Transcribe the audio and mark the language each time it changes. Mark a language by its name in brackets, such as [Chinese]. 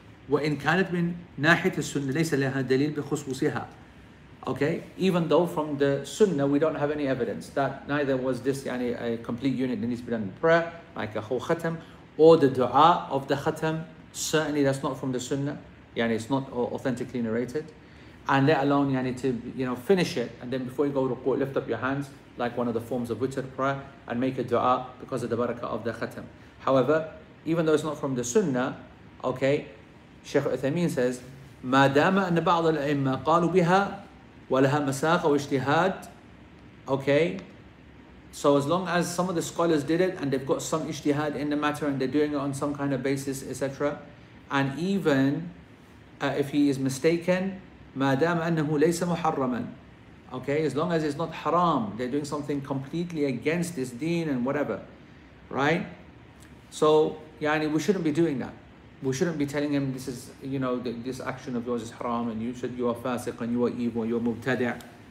[Arabic] وإن كانت من ناحية السنة ليس لها دليل بخصوصها. [English] Okay, even though from the sunnah we don't have any evidence that neither was this yani a complete unit that needs to be done in prayer, like a whole khatam, or the dua of the khatam Certainly that's not from the Sunnah. Yani it's not authentically narrated. And let alone yani to, you know, finish it. And then before you go to ruku', lift up your hands like one of the forms of witr prayer and make a dua because of the barakah of the khatam. However, even though it's not from the Sunnah, okay, Shaykh Uthaymeen says, [Arabic] ما دام أن بعض الأئمة قالوا بها ولها مساق أو اجتهاد. [English] Okay, so as long as some of the scholars did it and they've got some ijtihad in the matter and they're doing it on some kind of basis, etc. And even if he is mistaken, [Arabic] ما دام أنه ليس محرما. [English] Okay, as long as it's not haram, they're doing something completely against this deen and whatever. Right? So, yani, we shouldn't be doing that. We shouldn't be telling him this is, you know, this action of yours is haram and you said you are fasiq and you are evil, you are mubtadi'.